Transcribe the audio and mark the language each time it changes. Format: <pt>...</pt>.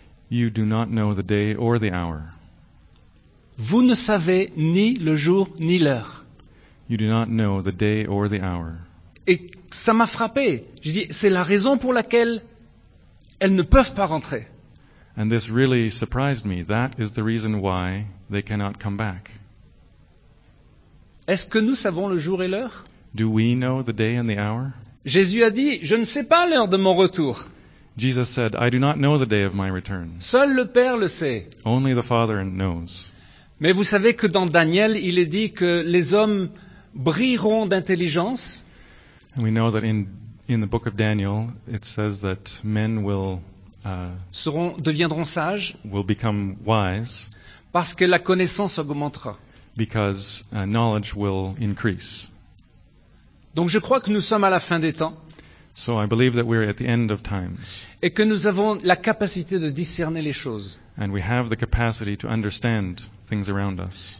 <en>You do not know the day or the hour.</en> <fr>Vous ne savez ni le jour ni l'heure.</fr> <en>You do not know the day or the hour.</en> <fr>Et ça m'a frappé. Je dis, c'est la raison pour laquelle elles ne peuvent pas rentrer.</fr> <en>And this really surprised me. That is the reason why they cannot come back.</en> <fr>Est-ce que nous savons le jour et l'heure?</fr> <en>Do we know the day and the hour?</en> <fr>Jésus a dit, je ne sais pas l'heure de mon retour.</fr> <en>Jesus said, I do not know the day of my return.</en> <fr>Seul le Père le sait.</fr> <en>Only the Father knows.</en> <fr>Mais vous savez que dans Daniel, il est dit que les hommes brilleront d'intelligence.</fr> <en>And we know that in the book of Daniel, it says that men will</en> <fr>deviendront sages.</fr> <en>Will become wise.</en> <fr>Parce que la connaissance augmentera.</fr> <en>Because knowledge will increase.</en> <fr>Donc je crois que nous sommes à la fin des temps.</fr> <en>So I believe that we're at the end of times.</en> <fr>Et que nous avons la capacité de discerner les choses.</fr> <en>And we have the capacity to understand things around us.</en>